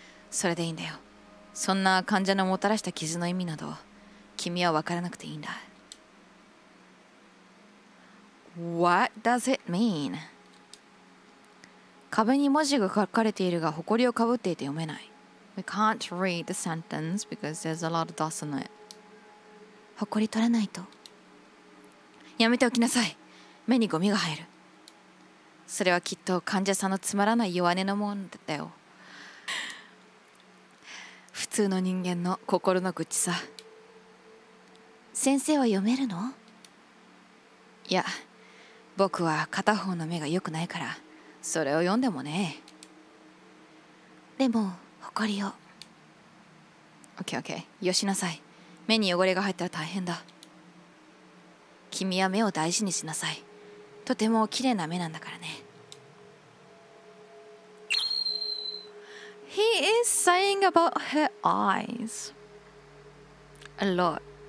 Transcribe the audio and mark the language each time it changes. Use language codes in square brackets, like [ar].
[ja] それでいいんだよ。そんな患者のもたらした傷の意味など君は分からなくていいんだ。 [en] What does it mean? [ja] 壁に文字が書かれているが埃をかぶっていて読めない。 [en] We can't read the sentence because there's a lot of dust on it. [ja] 埃取らないと。やめておきなさい。目にゴミが入る。それはきっと患者さんのつまらない弱音のものだったよ。普通の人間の心の愚痴さ。先生は読めるの？いや、僕は片方の目が良くないから、それを読んでもね。でも、誇りを。 OK、OK、よしなさい。目に汚れが入ったら大変だ。君は目を大事にしなさい。とても綺麗な目なんだからね。 [en] He is saying about her eyes a lot.